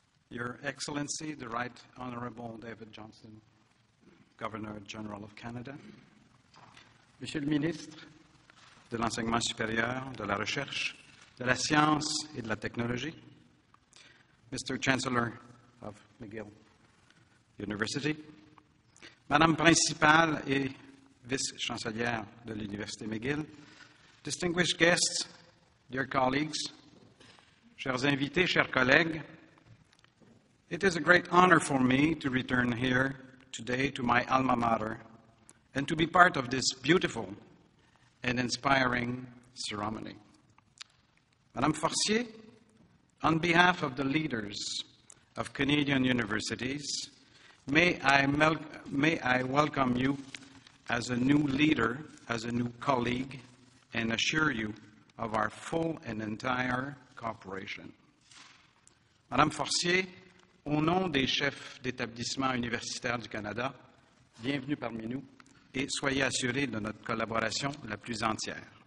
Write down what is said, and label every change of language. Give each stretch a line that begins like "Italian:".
English: Your Excellency, the Right Honorable David Johnston, Governor General of Canada.
French: Monsieur le Ministre de l'Enseignement supérieur, de la Recherche, de la science et de la technologie, Mr.
English: Chancellor of McGill University,
French: Madame Principale et Vice-Chancelière de l'Université McGill,
English: distinguished guests, dear colleagues,
French: chers invités, chers collègues,
English: it is a great honor for me to return here today to my alma mater and to be part of this beautiful and inspiring ceremony. Madame Forcier, on behalf of the leaders of Canadian universities, may I welcome you as a new leader, as a new colleague, and assure you of our full and entire cooperation.
French: Madame Forcier, au nom des chefs d'établissements universitaires du Canada, bienvenue parmi nous et soyez assurés de notre collaboration la plus entière.